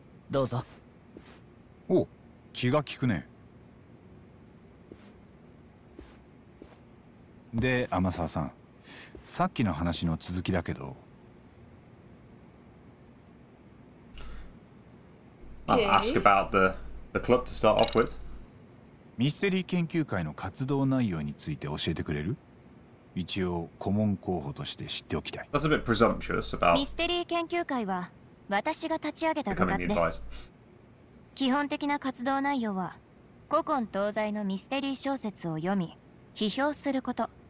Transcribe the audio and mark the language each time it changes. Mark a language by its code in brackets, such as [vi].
[ja] どうぞ。お、気が利くね。で、天沢さん、さっきの話の続きだけど。 [en] I'll ask about the club to start off with. [ja] ミステリー研究会の活動内容について教えてくれる？ [en] That's a bit presumptuous about becoming advisor. [ja] 基本的な活動内容は、古今東西のミステリー小説を読み、批評すること。